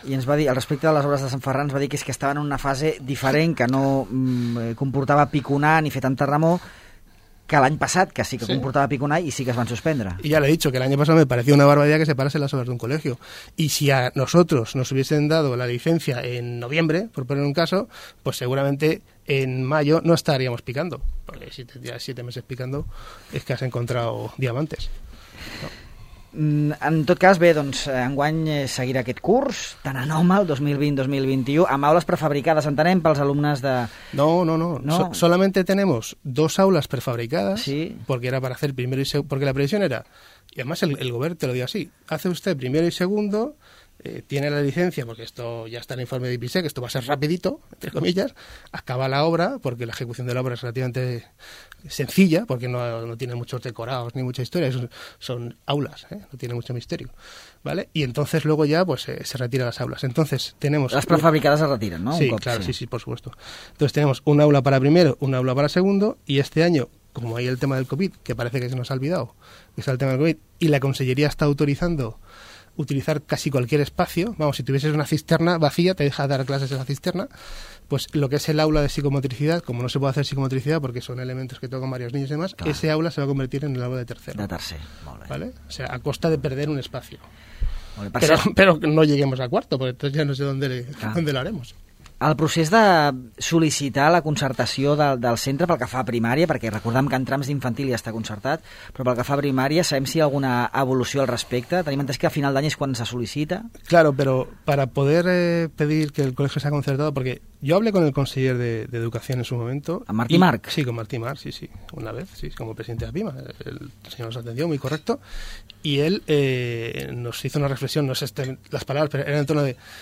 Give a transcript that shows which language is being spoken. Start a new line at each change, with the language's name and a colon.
Catalan: I ens va dir, al respecte de les obres de Sant Ferran, ens va dir que, és que estaven en una fase diferent, que no comportava piconar ni fer tanta remor, que l'any passat, que sí que comportava piconar i sí que es van suspendre. I ja l'he dit, que l'any passat
Spanish: me parecía una barbaridad que se parasen las obras de un colegio. Y si a nosotros nos hubiesen dado la licencia en noviembre, por poner un caso, pues seguramente en mayo no estaríamos picando. Porque si te tiras 7 meses picando, es que has encontrado diamantes. No.
Catalan: En tot cas, bé, doncs, enguany seguirà aquest curs, tan anòmal, 2020-2021, amb aules prefabricades, entenem, pels alumnes de...
Spanish: No, no, no, no. Solamente tenemos 2 aulas prefabricadas, sí. Porque era para hacer primero y segundo, porque la previsión era, y además el gobierno te lo dio así, hace usted primero y segundo, tiene la licencia, porque esto ya está en el informe de IPISEC, esto va a ser rapidito, entre comillas, acaba la obra, porque la ejecución de la obra es relativamente... sencilla, porque no tiene muchos decorados ni mucha historia, son aulas, ¿eh? No tiene mucho misterio, ¿vale? Y entonces luego ya pues se retiran las aulas. Entonces tenemos... Las prefabricadas se retiran, ¿no? Sí, claro, sí, por supuesto. Entonces tenemos un aula para primero, un aula para segundo, y este año, como hay el tema del COVID, que parece que se nos ha olvidado, que está el tema del COVID, y la consellería está autorizando utilizar casi cualquier espacio, vamos, si tuvieses una cisterna vacía, te deja dar clases en la cisterna, pues lo que es el aula de psicomotricidad, como no se puede hacer psicomotricidad porque son elementos que tocan varios niños y demás, claro. Ese aula se va a convertir en el aula de tercero.
Catalan: De tercer, molt
Spanish: bé. ¿Vale? O sea, a costa de perder un espacio. Pero no lleguemos a cuarto, porque entonces ya no sé dónde lo haremos.
Catalan: El procés de sol·licitar la concertació del centre pel que fa a primària, perquè recordem que en trams d'infantil ja està concertat, però pel que fa a primària sabem si hi ha alguna evolució al respecte. Tenim entès que a final d'any és quan se sol·licita.
Spanish: Claro, pero para poder pedir que el colegio sea concertado, porque yo hablé con el conseller de Educación en su momento. ¿A Martí Marc? Sí, con Martí Marc, sí, una vez, sí, como presidente de APIMA. El señor nos atendió, muy correcto. Y él nos hizo una reflexión, no sé las palabras, pero era en torno de...